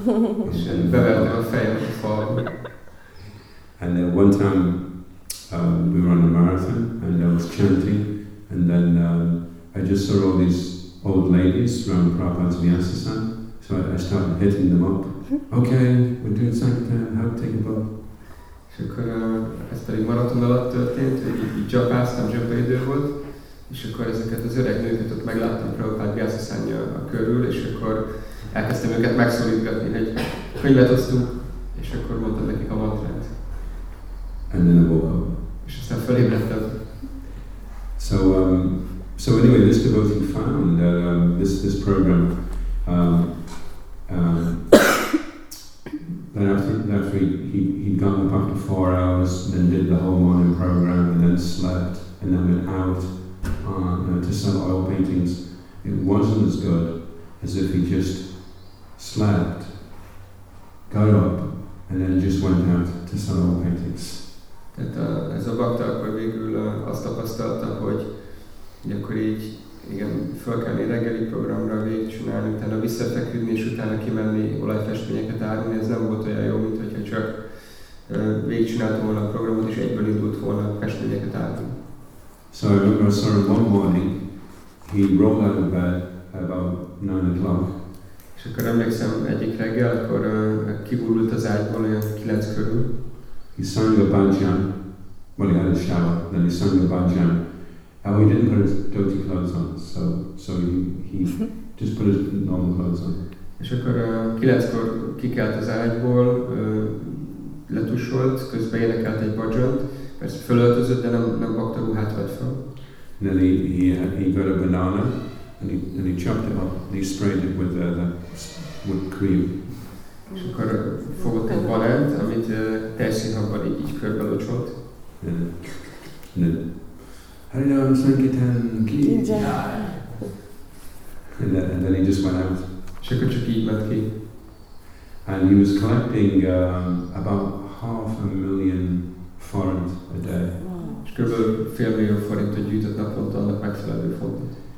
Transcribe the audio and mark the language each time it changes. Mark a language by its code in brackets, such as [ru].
[en] And then one time we were on a marathon and I was chanting. And then I just saw all these old ladies around Prabhupada's Vyasasan. So I started hitting them up. Okay, we're doing sankirtan, how to take a bow. [hu] És akkor ez pedig maraton alatt történt, hogy így japáztam, japaidő volt, és akkor ezeket az öreg nőket ott megláttam Prabhupád Vyasasanya a körül, és akkor elkezdtem őket megszólítgatni, hogy könyvet osztunk, és akkor mondtam nekik a mantrát. [en] And then I woke up. [hu] És aztán felébredtem. [en] So anyway, this devotee found this program. Then after he'd gotten up after 4 hours, then did the whole morning program, and then slept, and then went out to sell oil paintings. It wasn't as good as if he just slept, got up, and then just went out to sell oil paintings. [hu] Tehát ez a bakta akkor végül azt tapasztalta, hogy akkor így, igen, fel kell egy reggeli programra végigcsinálni, utána visszafeküdni és utána kimenni olajfestményeket árulni, ez nem volt olyan jó, mint hogyha csak végigcsináltam volna a programot és egyből indult volna festményeket árulni. [en] So I remember sort of one morning, he rolled out of bed about 9 o'clock. [hu] És akkor emlékszem egyik reggel, akkor kiburult az ágyból olyan 9 körül. [en] he sang a bhajan, well, he had a shower, then he sang a bhajan. Oh, he didn't put his dirty clothes on, so he just put his normal clothes on. [hu] És akkor kilenckor kikelt az ágyból, letusolt, közben énekelt egy bhajant, persze fölöltözött, de nem bakta ruhát vett fel. [en] Then he got a banana and he chopped it up and he sprayed it with the wood cream. [hu] És akkor fogott egy balent, amit tejszínhabban így körbe locsolt. [en] Harinam Sankirtan ki jaya. And then he just went out. [hu] És akkor csak így ment ki. [en] And he was collecting about 500,000 forint a day. [hu] És körülbelül 500,000 forintot gyűjtött naponta annak megfelelő fontot.